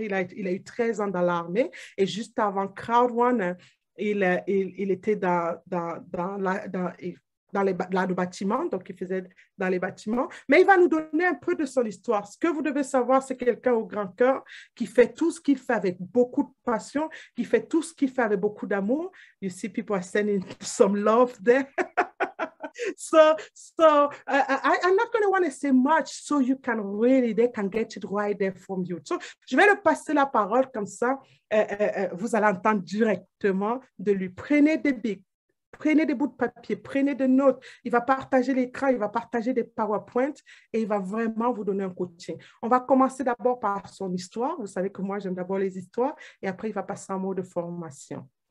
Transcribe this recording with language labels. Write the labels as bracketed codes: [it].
[fr] Il a eu 13 ans dans l'armée. Et juste avant Crowd One, il était dans le bâtiment. Donc, il faisait dans les bâtiments. Mais il va nous donner un peu de son histoire. Ce que vous devez savoir, c'est quelqu'un au grand cœur qui fait tout ce qu'il fait avec beaucoup de passion, qui fait tout ce qu'il fait avec beaucoup d'amour. [en] You see, people are sending some love there. I'm not going to want to say much so you can really, they can get it right there from you. [fr] So, je vais le passer la parole comme ça, vous allez entendre directement de lui. Prenez des bics, prenez des bouts de papier, prenez des notes. Il va partager l'écran, il va partager des PowerPoint et il va vraiment vous donner un coaching. On va commencer d'abord par son histoire. Vous savez que moi, j'aime d'abord les histoires et après, il va passer un mot de formation.